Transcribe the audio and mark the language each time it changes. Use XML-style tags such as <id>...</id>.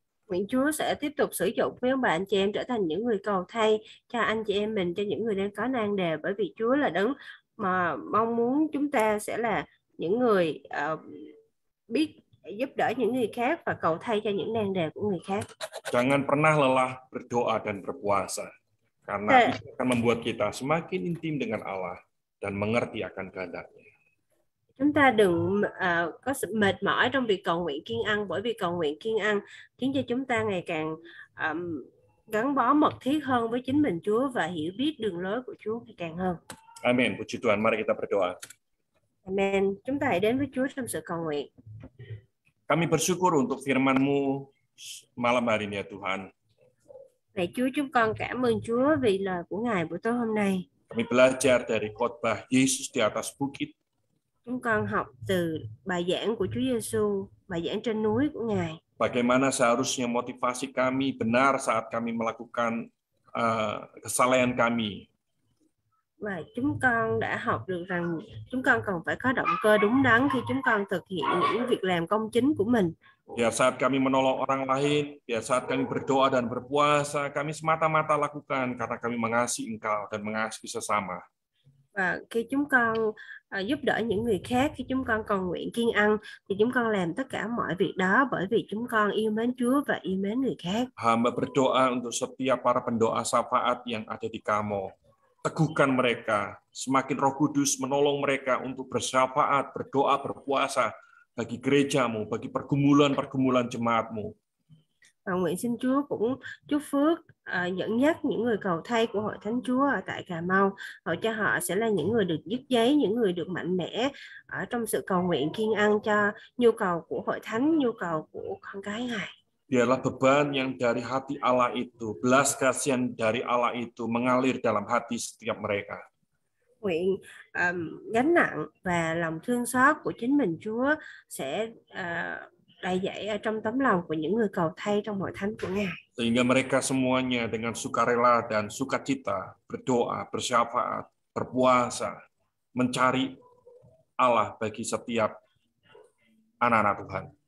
<vi>Nguyện Chúa sẽ tiếp tục sử dụng với ông bà anh chị em trở thành những người cầu thay cho anh chị em mình, cho những người đang có nan đề, bởi vì Chúa là đấng mà mong muốn chúng ta sẽ là những người biết giúp đỡ những người khác và cầu thay cho những nan đề của người khác.</vi> <id>Jangan pernah lelah berdoa dan berpuasa karena itu akan membuat kita semakin intim dengan Allah dan mengerti akan kehendak-Nya.</id> <vi>chúng ta đừng có sự mệt mỏi trong việc cầu nguyện kiêng ăn, bởi vì cầu nguyện kiêng ăn khiến cho chúng ta ngày càng gắn bó mật thiết hơn với chính mình Chúa và hiểu biết đường lối của Chúa ngày càng hơn.</vi> <id>Amen. Puji Tuhan, mari kita berdoa. Amen.</id> <vi>Chúng ta hãy đến với Chúa trong sự cầu nguyện.</vi> <id>Kami bersyukur untuk firman-Mu malam hari ini ya Tuhan.</id> <vi>Lạy Chúa, chúng con cảm ơn Chúa vì lời của Ngài buổi tối hôm nay.</vi> <id>Kami belajar dari khotbah Yesus di atas bukit.</id> <vi>Chúng con học từ bài giảng của Chúa Giêsu, bài giảng trên núi của Ngài.</vi> <id>Bagaimana seharusnya motivasi kami benar saat kami melakukan kesalahan kami.</id> <vi>Và chúng con đã học được rằng chúng con cần phải có động cơ đúng đắn khi chúng con thực hiện những việc làm công chính của mình.</vi> <id>Biar saat kami menolong orang lain, biar saat kami berdoa dan berpuasa, kami semata-mata lakukan karena kami mengasihi Engkau dan mengasihi sesama.</id> <vi>Và khi chúng con giúp đỡ những người khác, khi chúng con cầu nguyện kiêng ăn, thì chúng con làm tất cả mọi việc đó bởi vì chúng con yêu mến Chúa và yêu mến người khác.</vi> <id>Hamba berdoa untuk setiap para pendoa syafaat yang ada di Kamo. Teguhkan mereka, semakin Roh Kudus menolong mereka untuk bersyafaat, berdoa, berpuasa bagi gerejamu, bagi pergumulan-pergumulan jemaatmu.</id> <vi>Và nguyện xin Chúa cũng chúc phước dẫn dắt những người cầu thay của Hội Thánh Chúa ở tại Cà Mau. Hội cho họ sẽ là những người được dứt dấy, những người được mạnh mẽ ở trong sự cầu nguyện kiêng ăn cho nhu cầu của Hội Thánh, nhu cầu của con cái Ngài.</vi> <id>Biarlah beban yang dari hati Allah itu, belas kasihan dari Allah itu mengalir dalam hati setiap mereka.</id> <vi>Nguyện gánh nặng và lòng thương xót của chính mình Chúa sẽ đầy dẫy ở trong tấm lòng của những người cầu thay trong Hội Thánh của Ngài.</vi> <id>Sehingga mereka semuanya dengan sukarela dan sukacita berdoa, bersyafaat, berpuasa, mencari Allah bagi setiap anak-anak Tuhan.</id>